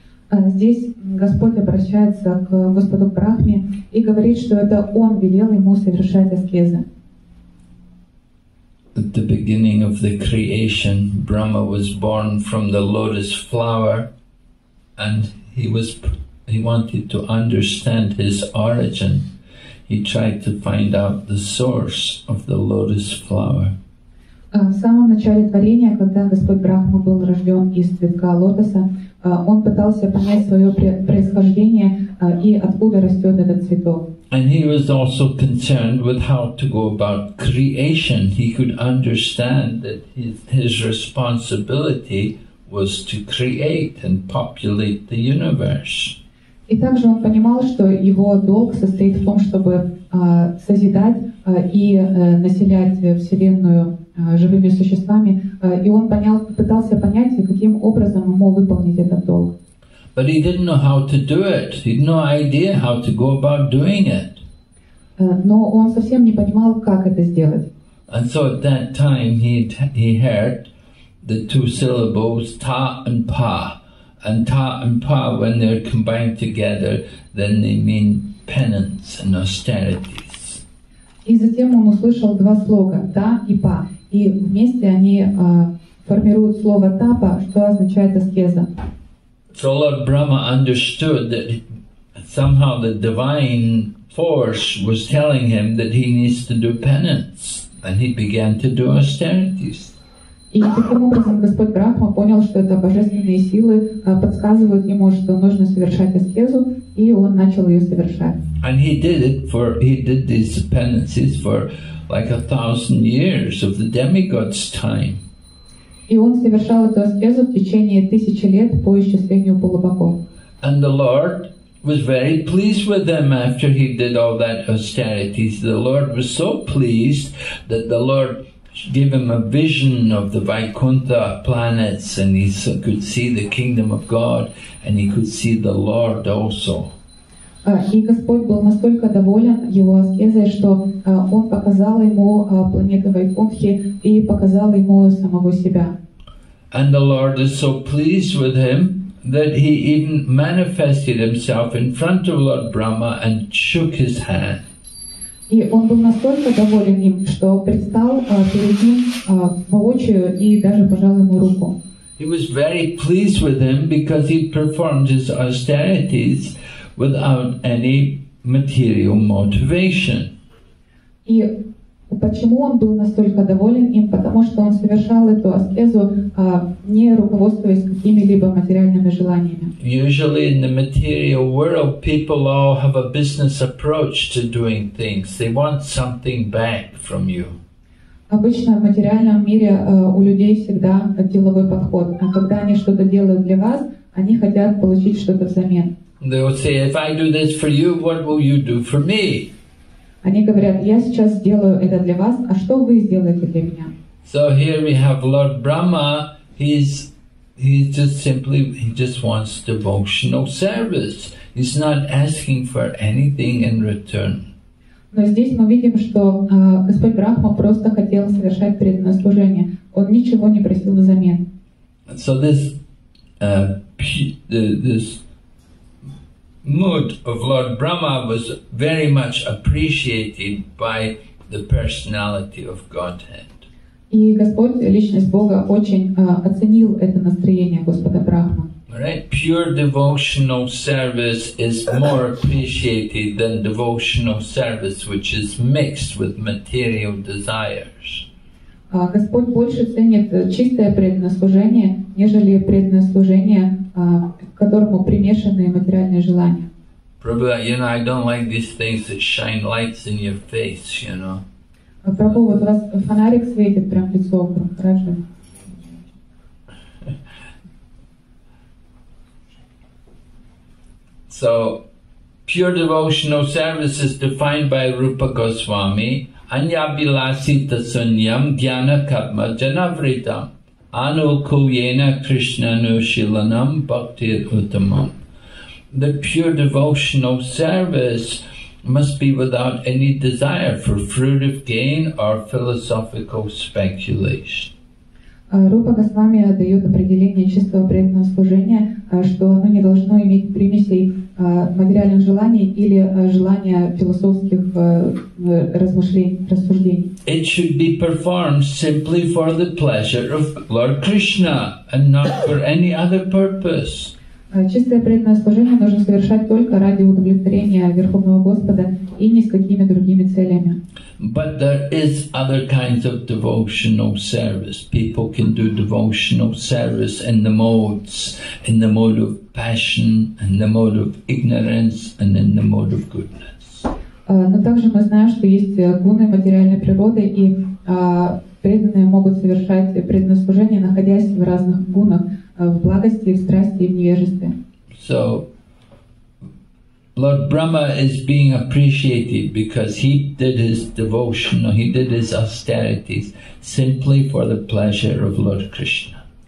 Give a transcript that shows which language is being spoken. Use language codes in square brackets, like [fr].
[ru] Здесь Господь обращается к Господу Брахме и говорит, что это Он велел ему совершать аскезы. [en] At the beginning of the creation, Brahma was born from the lotus flower, and he wanted to understand his origin. He tried to find out the source of the lotus flower. [ru] В самом начале творения, когда Господь Брахма был рожден из цветка лотоса, он пытался понять свое происхождение и откуда растет этот цветок. [en] And he was also concerned with how to go about creation. He could understand that his responsibility was to create and populate the universe. [ru] И также он понимал, что его долг состоит в том, чтобы созидать и населять Вселенную живыми существами. И он пытался понять, каким образом ему выполнить этот долг. [en] But he didn't know how to do it. He had no idea how to go about doing it. [ru] Но он совсем не понимал, как это сделать. [en] And so at that time he heard the two syllables ta and pa. And ta and pa, when they're combined together, then they mean penance and austerities. [ru] И затем он услышал два слога та и па, и вместе они формируют слово тапа, что означает аскеза. [en] So Lord Brahma understood that somehow the divine force was telling him that he needs to do penance, and he began to do austerities. [ru] И таким образом Господь Брахма понял, что это божественные силы подсказывают ему, что нужно совершать аскезу, и он начал ее совершать. [en] And he did it for, he did these penances for like a thousand years of the demigod's time. [ru] И он совершал эту аскезу в течение тысячи лет по исчислению полубогов. [en] And the Lord was very pleased with him after he did all that austerity. The Lord was so pleased that the Lord gave him a vision of the Vaikuntha planets, and he could see the kingdom of God, and he could see the Lord also. [ru] И Господь был настолько доволен его аскезой, что он показал ему планету Вайкунтхи и показал ему самого себя. [en] And the Lord is so pleased with him that he even manifested himself in front of Lord Brahma and shook his hand. [ru] И он был настолько доволен им, что предстал перед ним воочию и даже пожал ему руку. [en] He was very pleased with him because he performed his austerities without any material motivation. [ru] И почему он был настолько доволен им? Потому что он совершал эту аскезу, не руководствуясь какими-либо материальными желаниями. [en] Usually in the material world, people all have a business approach to doing things. They want something back from you. [ru] Обычно в материальном мире у людей всегда деловой подход. А когда они что-то делают для вас, они хотят получить что-то взамен. [en] They will say, if I do this for you, what will you do for me? [ru] Они говорят, я сейчас сделаю это для вас, а что вы сделаете для меня? [en] So here we have Lord Brahma, he just wants devotional service. He's not asking for anything in return. [ru] Но здесь мы видим, что Господь Брахма просто хотел совершать преданное служение. Он ничего не просил взамен. [en] So this mood of Lord Brahma was very much appreciated by the personality of Godhead. [ru] И Господь, личность Бога, очень оценил это настроение Господа Брахма. [en] Right? Pure devotional service is more appreciated than devotional service which is mixed with material desires. [ru] Господь больше ценит чистое преданное служение, нежели преданное служение, к которому примешаны материальные желания. [en] Prabhu, you know, I don't like these things that shine lights in your face, you know. [ru] Prabhu, вот у вас фонарик светит прям лицо, хорошо. [en] So, pure devotional service is defined by Rupa Goswami, [sa] Anya Bilasita Sunyam Jnana Kapma Janavritam Anukuyena Krishna Nushilanam Bhakti Uttamam. [en] The pure devotional service must be without any desire for fruit of gain or philosophical speculation. [ru] Рупа Госвами дает определение чистого преданного служения, что оно не должно иметь примесей материальных желаний или желания философских рассуждений. [en] It should be performed simply for the pleasure of Lord Krishna and not for any other purpose. [ru] Чистое преданное служение нужно совершать только ради удовлетворения Верховного Господа и ни с какими другими целями. [en] But there is other kinds of devotional service. People can do devotional service in the modes, in the mode of passion, in the mode of ignorance, and in the mode of goodness. [ru] Но также мы знаем, что есть гуны материальной природы, и преданные могут совершать преданное служение, находясь в разных гунах, в благости, в страсти и в невежестве. [en] So, Lord Brahma is being appreciated because he did his devotional, he did his austerities simply for the pleasure of Lord Krishna.